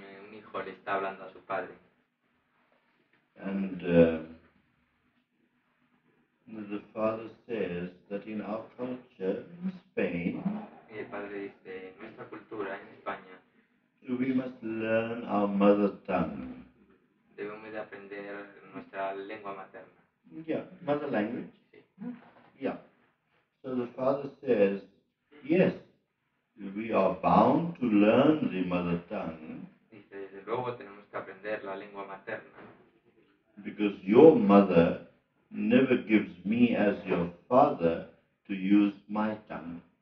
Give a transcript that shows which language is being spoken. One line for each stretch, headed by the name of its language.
Spanish: Un hijo le está hablando a su padre.
English: And the father says that in our culture in Spain,
Spanish: y el padre dice, en nuestra cultura en España,
English: we must learn our mother tongue.
Spanish: Debemos de aprender nuestra lengua materna.
English: Yeah, mother language.
Spanish: Sí.
English: Yeah. So the father says, yes, we are bound to learn the mother tongue.
Spanish: Dice, desde luego tenemos que aprender la lengua materna.
English: Because your mother never gives me as your father to use my tongue.